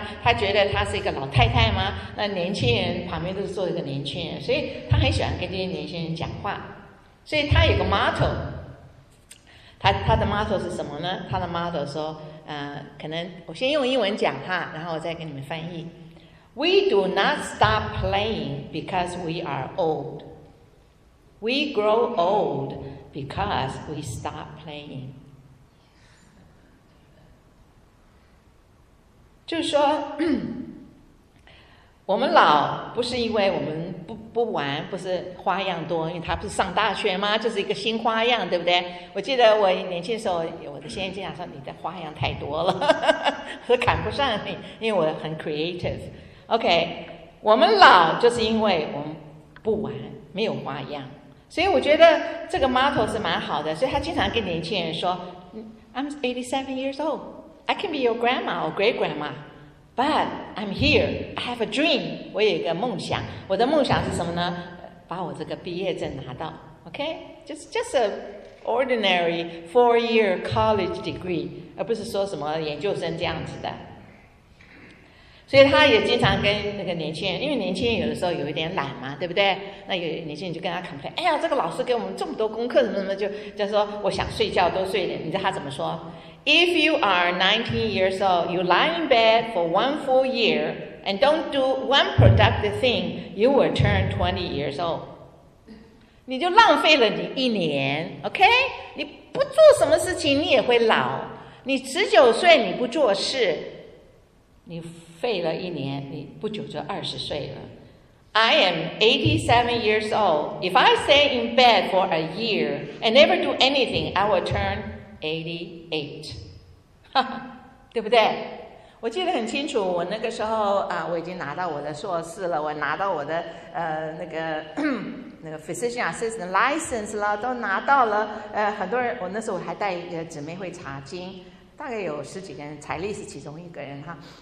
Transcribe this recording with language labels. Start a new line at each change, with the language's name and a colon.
Chinese: 她觉得她是一个老太太嘛，那年轻人旁边都是做一个年轻人，所以她很喜欢跟这些年轻人讲话。所以她有个 motto， 她的 motto 是什么呢？她的 motto 说可能我先用英文讲哈，然后我再给你们翻译。
English: We do not stop playing because we are old. We grow old because we stop playing。
Chinese: 就是说我们老不是因为我们 不玩，不是花样多，因为他不是上大学吗，就是一个新花样，对不对？我记得我年轻的时候，我的先生经常说你的花样太多了，说赶不上你，因为我很 creative。 OK， 我们老就是因为我们不玩，没有花样。所以我觉得这个 motto 是蛮好的，所以他经常跟年轻人说
English: I'm 87 years old, I can be your grandma or great grandma, but I'm here, I have a dream,
Chinese: 我有一个梦想。我的梦想是什么呢？把我这个毕业证拿到， OK?
English: Just an ordinary four-year college degree,
Chinese: 而不是说什么研究生这样子的。所以他也经常跟那个年轻人，因为年轻人有的时候有一点懒嘛，对不对？那有年轻人就跟他 complain， 哎呀，这个老师给我们这么多功课，什么什么，就说我想睡觉多睡一点。你知道他怎么说 ？
English: If you are 19 years old,
Chinese: you lie in bed for one full year and don't do one productive thing, you will turn 20 years old。你就浪费了你一年 ，OK？ 你不做什么事情，你也会老。你19岁你不做事，你。废了一年，你不久就20岁了。
English: I am 87 years old. If I stay in bed for a year and never do anything, I will turn 88.
Chinese: 对不对？我记得很清楚，我那个时候我已经拿到我的硕士了，我拿到我的那个 physician assistant license 了，都拿到了。很多人，我那时候还带姊妹会查经，大概有十几个人，彩丽是其中一个人哈。